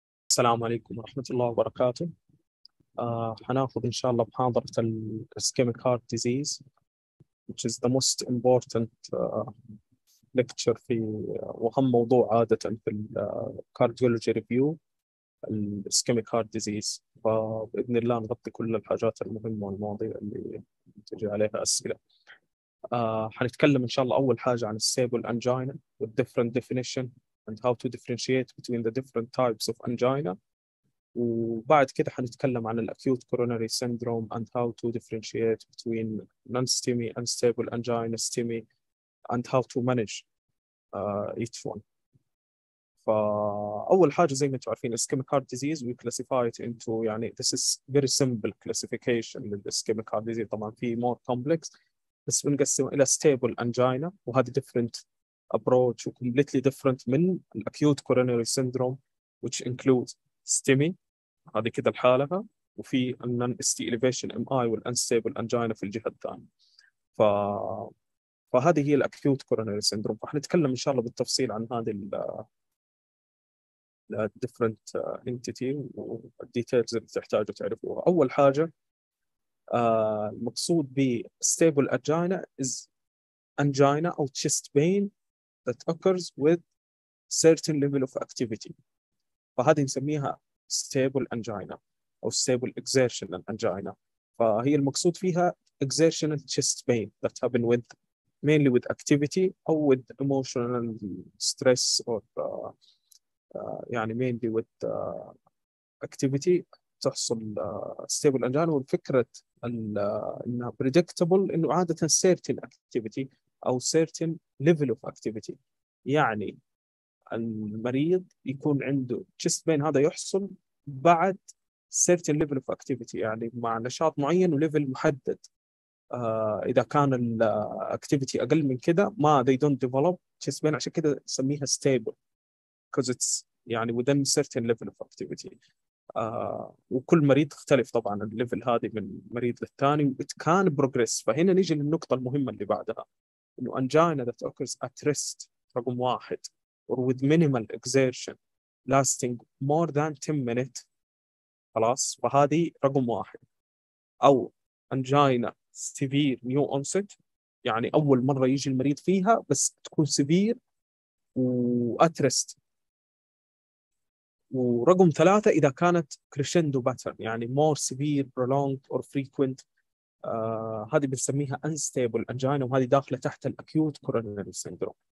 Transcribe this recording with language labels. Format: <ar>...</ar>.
<ar>السلام عليكم ورحمة الله وبركاته. حناخذ إن شاء الله محاضرة الـ ischemic heart disease,</ar> <en>which is the most important lecture</en> <ar>في وأهم موضوع عادة في الـ cardiology review, الـ ischemic heart disease. فبإذن الله نغطي كل الحاجات المهمة والمواضيع اللي تجي عليها أسئلة. حنتكلم إن شاء الله أول حاجة عن</ar> <en>stable angina with different definition and how to differentiate between the different types of angina.</en> <ar>وبعد كده حنتكلم عن الأكيوت كورونري سيندروم</ar> <en>and how to differentiate between non-STEMI, unstable angina, STEMI, and how to manage each one.</en> <ar>فأول حاجة زي ما انتم عارفين</ar> <en>ischemic heart disease we classify it into, يعني this is very simple classification للischemic heart disease. طبعا في more complex</en> <ar>بس بنقسم إلى</ar> <en>stable angina وهذه different approach completely different من acute coronary syndrome which includes STEMI</en> <ar>هذه كده الحالة وفي</ar> <en>non ST elevation MI وال unstable angina</en> <ar>في الجهة الثانية. فهذه هي acute coronary syndrome. فحنتكلم إن شاء الله بالتفصيل عن هذه ال different entity وال details اللي تحتاجوا تعرفوها. أول حاجة المقصود ب</ar> <en>stable angina is angina أو chest pain that occurs with certain level of activity.</en> <ar>فهذه نسميها stable angina أو stable exertional angina. فهي المقصود فيها</ar> <en>exertional chest pain that happen with mainly with activity أو with emotional stress or يعني mainly with activity تحصل stable angina.</en> <ar>والفكرة إنها predictable إنه عادة certain activity أو certain level of activity. يعني المريض يكون عنده chest pain هذا يحصل بعد</ar> <en>certain level of activity,</en> <ar>يعني مع نشاط معين وليفل محدد.</ar> <en>إذا كان الـ activity</en> <ar>أقل من كده ما</ar> <en>they don't develop chest pain,</en> <ar>عشان كده سميها</ar> <en>stable because it's يعني within certain level of activity.</en> <ar>وكل مريض تختلف طبعا الليفل هذه من مريض للثاني</ar> <en>it can progress.</en> <ar>فهنا نيجي للنقطة المهمة اللي بعدها إنه</ar> <en>angina that occurs at rest رقم واحد or with minimal exertion lasting more than 10 minutes خلاص,</en> <ar>فهذه رقم واحد. أو angina severe new onset يعني أول مرة يجي المريض فيها بس تكون severe و at rest. ورقم ثلاثة إذا كانت crescendo pattern يعني</ar> <en>more severe prolonged or frequent</en> <ar>هذه بنسميها unstable angina وهذه داخلة تحت acute coronary syndrome.</ar>